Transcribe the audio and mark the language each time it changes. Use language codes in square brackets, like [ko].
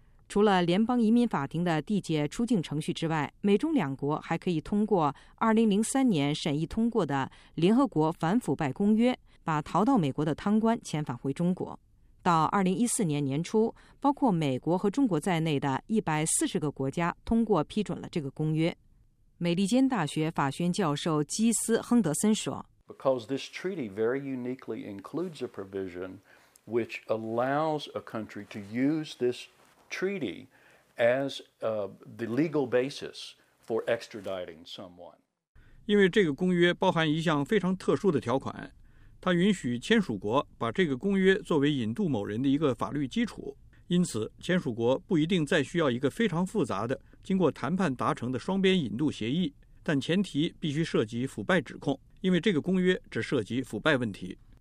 [zh] 除了联邦移民法庭的递解出境程序之外，美中两国还可以通过2003年审议通过的联合国反腐败公约，把逃到美国的贪官遣返回中国。到2014年年初，包括美国和中国在内的140个国家通过批准了这个公约。美利坚大学法学教授基斯·亨德森说 [en] ：“Because this treaty very uniquely includes a provision which allows a country to use this treaty as the legal basis for extraditing someone。” [zh] 因为这个公约包含一项非常特殊的条款。他允许签署国把这个公约作为引渡某人的一个法律基础，因此签署国不一定再需要一个非常复杂的经过谈判达成的双边引渡协议，但前提必须涉及腐败指控，因为这个公约只涉及腐败问题。